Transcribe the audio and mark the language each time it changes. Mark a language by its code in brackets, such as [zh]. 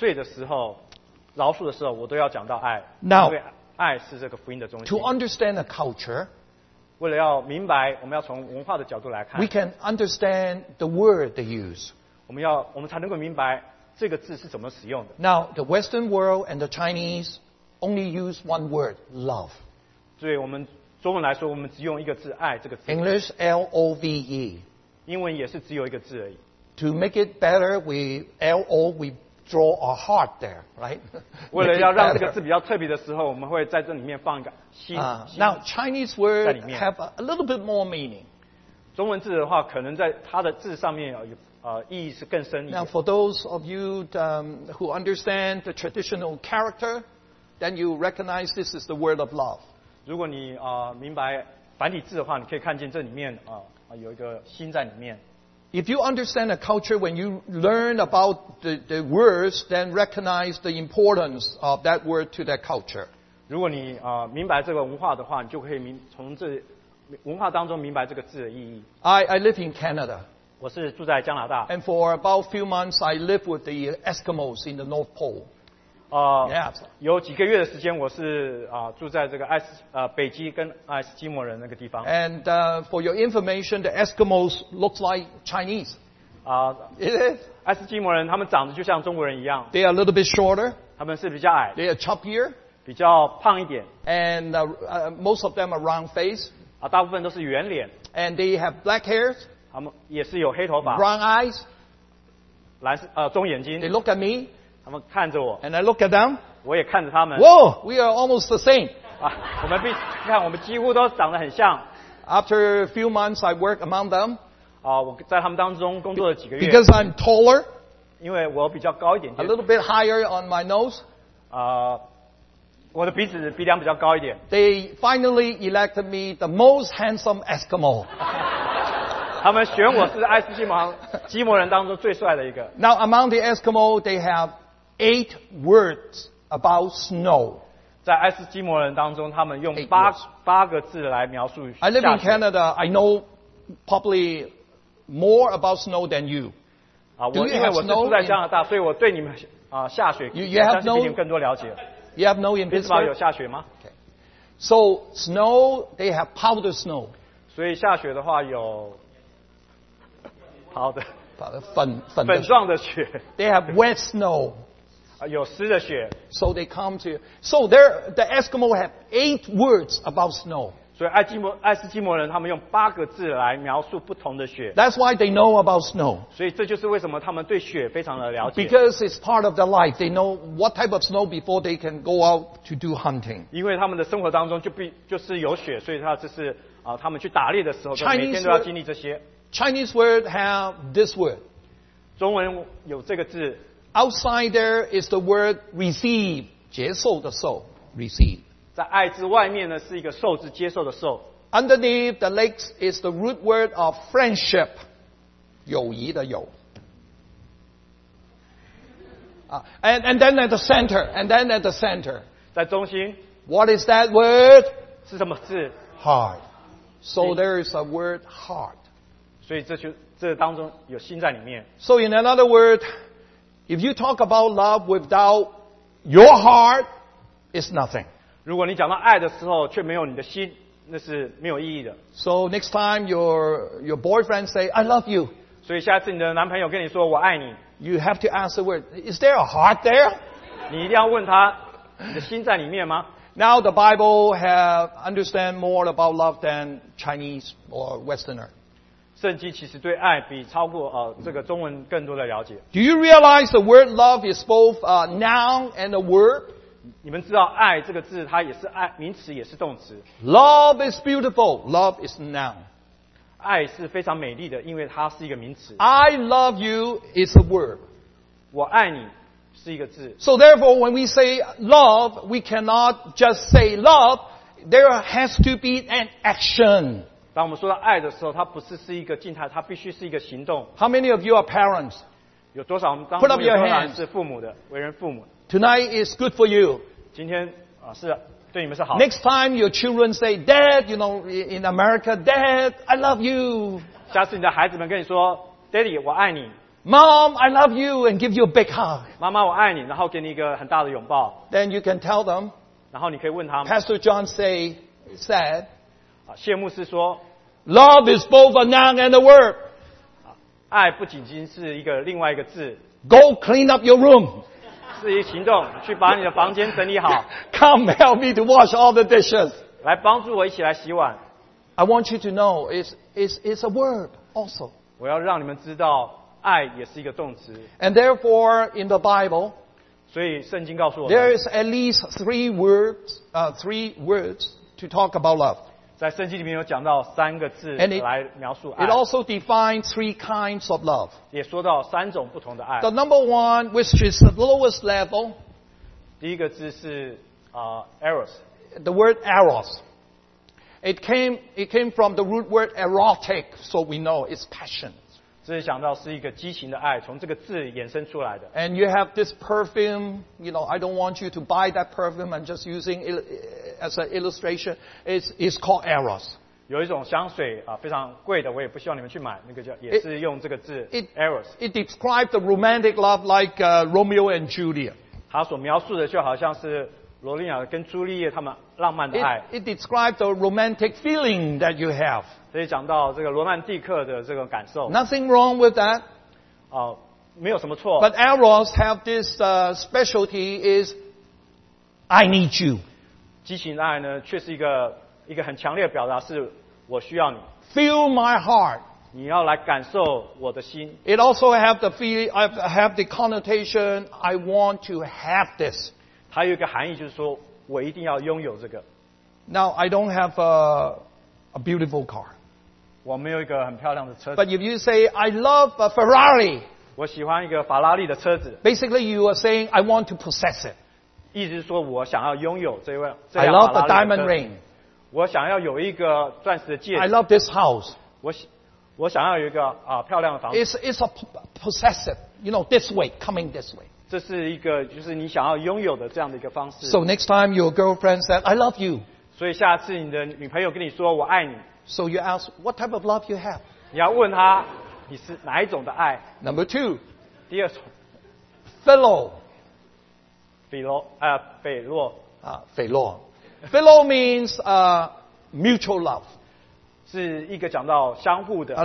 [zh] 我在讲福音的时候，我在讲罪的时候，饶恕的时候，我都要讲到爱。 [en] Now, [zh] 因为爱是这个福音的中心。 [en] To understand a culture, [zh] 为了要明白，我们要从文化的角度来看。 [en] We can understand the word they use. [zh] 我们才能够明白这个字是怎么使用的。 [en] Now, the Western world and the Chinese only use one word, love. [zh] 对，我们中文来说，我们只用一个字“爱”这个字。 [en] English love. [zh] 英文也是只有一个字而已。 [en] To make it better, we lo we draw a heart there, right? [zh] 为了要让这个字比较特别的时候，我们会在这里面放一个心。 [en] Now Chinese word have a little bit more meaning. [zh] 中文字的话，可能在它的字上面有。意义是更深一点。 [en] Now, for those of you who understand the traditional character, then you recognize this is the word of love. [zh] 如果你明白繁体字的话，你可以看见这里面有一个心在里面。 [en] If you understand a culture, when you learn about the words, then recognize the importance of that word to that culture. [zh] 如果你明白这个文化的话，你就可以从这文化当中明白这个字的意义。 [en] I live in Canada. [zh] 我是住在加拿大。 [en] And for about a few months, I lived with the Eskimos in the North Pole. Yeah. [zh] 有几个月的时间，我是住在这个北极跟爱斯基摩人那个地方。 [en] And for your information, the Eskimos look like Chinese. It is. [zh] 爱斯基摩人他们长得就像中国人一样。 [en] They are a little bit shorter. [zh] 他们是比较矮。 [en] They are chubbier. [zh] 比较胖一点。 [en] And most of them are round face. [zh] 大部分都是圆脸。 [en] And they have black hairs. [zh] 他们也是有黑头发 [en] ，brown eyes， [zh] 蓝棕眼睛。 [en] They look at me， [zh] 他们看着我 [en] ，and I look at them， [zh] 我也看着他们。 [en] Whoa， we are almost the same。 [zh] 我们看，我们几乎都长得很像。 [en] After a few months, I work among them。 [zh] 我在他们当中工作了几个月。 [en] Because I'm taller， [zh] 因为我比较高一点。 [en] A little bit higher on my nose。 [zh] 我的鼻子鼻梁比较高一点。 [en] They finally elected me the most handsome Eskimo 。 [zh] 他们选我是爱斯基摩基摩人当中最帅的一个。 [en] Now among the Eskimo, they have 8 words about snow. [zh] 在爱斯基摩人当中，他们用八个字来描述下雪。 [en] I live in Canada. I know probably more about snow than you. [zh] 我是住在加拿大，所以我对你们下雪 [en] ，you have no, [zh] 比你们更多了解。 [en] You have no in Pittsburgh. [zh] Pittsburgh 有下雪吗 [en] ？Okay. So snow, they have powder snow. [zh] 所以下雪的话有。好的，好的，粉粉状的雪。 [en] They have wet snow， [zh] 有湿的雪。 [en] So they come to, so there the Eskimo have 8 words about snow。 [zh] 所以爱斯基摩人他们用八个字来描述不同的雪。 [en] That's why they know about snow。 [zh] 所以这就是为什么他们对雪非常的了解。 [en] Because it's part of their life, they know what type of snow before they can go out to do hunting。 [zh] 因为他们的生活当中就是有雪，所以他们去打猎的时候，每天都要经历这些。 [en] Chinese word have this word. [zh] 中文有这个字。 [en] Outside there is the word receive, [zh] 接受的受 [en] receive. [zh] 在爱字外面呢是一个受字接受的受。 [en] Underneath the legs is the root word of friendship, [zh] 友谊的友。 [en] And then at the center. [zh] 在中心。 [en] What is that word? [zh] 是什么字? [en] Heart. So there is a word heart. [zh] 所以这当中有心在里面。 [en] So in another word, if you talk about love without your heart, it's nothing. [zh] 如果你讲到爱的时候却没有你的心，那是没有意义的。 [en] So next time your boyfriend say, I love you. [zh] 所以下次你的男朋友跟你说我爱你。 [en] You have to ask the word, is there a heart there? [zh] 你一定要问他，你的心在里面吗？ [en] Now the Bible have understand more about love than Chinese or Westerner. [zh] 圣经其实对爱比超过这个中文更多的了解。 [en] Do you realize the word love is both a noun and a verb? [zh] 你们知道爱这个字它也是爱名词也是动词。 [en] Love is beautiful. Love is a noun. [zh] 爱是非常美丽的，因为它是一个名词。 [en] I love you is a verb. [zh] 我爱你是一个字。 [en] So therefore, when we say love, we cannot just say love. There has to be an action. [zh] 当我们说到爱的时候，它不是一个静态，它必须是一个行动。 [en] How many of you are parents? [zh] 有多少我们当中有多少人是父母的，为人父母 [en] ？Tonight is good for you. [zh] 今天是对你们是好。 [en] Next time your children say, "Dad, you know, in America, Dad, I love you." [zh] 下次你的孩子们跟你说 ， [en] Daddy, [zh] 我爱你。 [en] Mom, I love you, and give you a big hug. [zh] 妈妈，我爱你，然后给你一个很大的拥抱。 [en] Then you can tell them. [zh] 然后你可以问他们。 [en] Pastor John said. [zh] 谢牧师说 [en] Love is both a noun and a verb. [zh] 爱不仅仅是一个另外一个字 [en] Go clean up your room. [zh] 是一行动去把你的房间整理好 [en] Come help me to wash all the dishes. [zh] 来帮助我一起来洗碗。 [en] I want you to know it's a word also. [zh] 我要让你们知道爱也是一个动词。 [en] And therefore, in the Bible, [zh] 所以圣经告诉我们 [en] there is at least three words to talk about love. [zh] 在圣经里面有讲到三个字来描述爱。 [en] It also defines three kinds of love. [zh] 也说到三种不同的爱。 [en] The number one, which is the lowest level, [zh] 第一个字是eros. [en] The word eros. It came from the root word erotic, so we know it's passion. [zh] 这是想到是一个激情的爱，从这个字衍生出来的。 [en] And you have this perfume, you know, I don't want you to buy that perfume. I'm just using it as an illustration. It's called Eros. [zh] 有一种香水啊，非常贵的，我也不希望你们去买。那个叫也是用这个字 Eros. [en] It describes the romantic love like Romeo and Juliet. [zh] 它所描述的就好像是罗密欧跟朱丽叶他们浪漫的爱。 [en] It describes the romantic feeling that you have. [zh] 所以讲到这个罗曼蒂克的这个感受。 [en] Nothing wrong with that. [zh] 没有什么错。 [en] But Eros have this specialty is I need you. [zh] 激情的爱呢，却是一个很强烈的表达，是我需要你。 [en] Feel my heart. [zh] 你要来感受我的心。 [en] It also have the connotation I want to have this. [zh] 它有一个含义，就是说我一定要拥有这个。 [en] Now I don't have a beautiful car. [zh] 我没有一个很漂亮的车子。 [en] But if you say I love a Ferrari, [zh] 我喜欢一个法拉利的车子。 [en] Basically, you are saying I want to possess it. [zh] 意思是说我想要拥有这辆。 [en] I love a diamond ring. [zh] 我想要有一个钻石的戒指。 [en] I love this house. [zh] 我想要有一个漂亮的房子。 [en] It's a possessive, you know, this way, coming this way. [zh] 这是一个就是你想要拥有的这样的一个方式。 [en] So next time your girlfriend said I love you. [zh] 所以下次你的女朋友跟你说我爱你。 [en] So you ask what type of love you have? [zh] 你要问她你是哪一种的爱。 [en] Number two. [zh] 第二种。 [en] 菲洛。Philo means mutual love. [zh] 是一个讲到相互的爱。